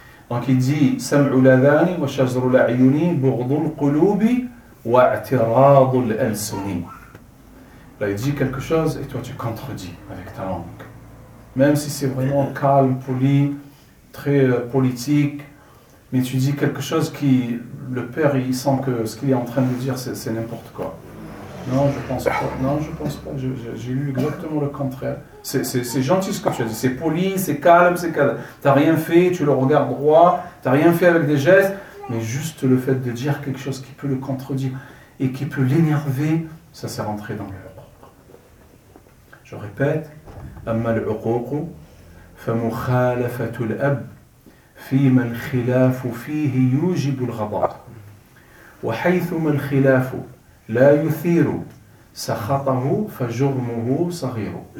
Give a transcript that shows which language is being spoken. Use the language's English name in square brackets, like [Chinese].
[French] Donc il dit, [Arabic] سَمْعُ لَذَانِ وَشَزْرُ لَعْيُنِ بُغْضُ الْقُلُوبِ وَاَعْتِرَاضُ الْأَلْسُنِ. [French] Là, il dit quelque chose et toi, tu contredis avec ta langue. Même si c'est vraiment calme, poli, très politique, mais tu dis quelque chose qui, le père, il sent que ce qu'il est en train de dire, c'est n'importe quoi. Non, je pense pas. Non, je pense pas. J'ai lu exactement le contraire. C'est gentil ce que tu as dit. C'est poli, c'est calme, c'est calme. T'as rien fait, tu le regardes droit, t'as rien fait avec des gestes, mais juste le fait de dire quelque chose qui peut le contredire et qui peut l'énerver, ça s'est rentré dans le Je répète, [Arabic] أما العقوق فمخالفة الأب فيما الخلاف فيه يوجب الغضب وحيثما الخلاف لا يثير سخطه فجرمه صغير